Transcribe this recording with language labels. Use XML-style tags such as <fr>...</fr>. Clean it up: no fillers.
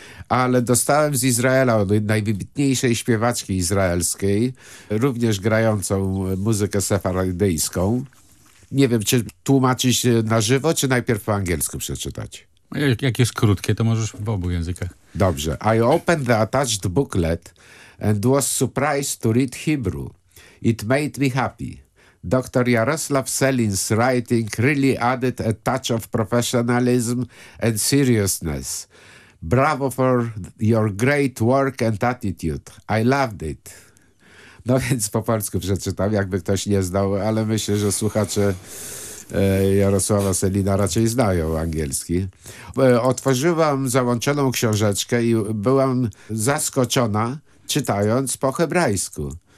<pl>Ale dostałem z Izraela od najwybitniejszej śpiewaczki izraelskiej, również grającą muzykę sefardyjską. Nie wiem, czy tłumaczyć na żywo, czy najpierw po angielsku przeczytać. Jak jest krótkie, to możesz w obu językach. Dobrze.</pl> <en>I opened the attached booklet and was surprised to read Hebrew. It made me happy. Dr. Jaroslav Selin's writing really added a touch of professionalism and seriousness. Bravo for your great work and attitude. I loved it.</en> <pl>No więc po polsku przeczytam, jakby ktoś nie znał, ale myślę, że słuchacze Jarosława Selina raczej znają angielski. Otworzyłam załączoną książeczkę i byłam zaskoczona, czytając po hebrajsku.</pl>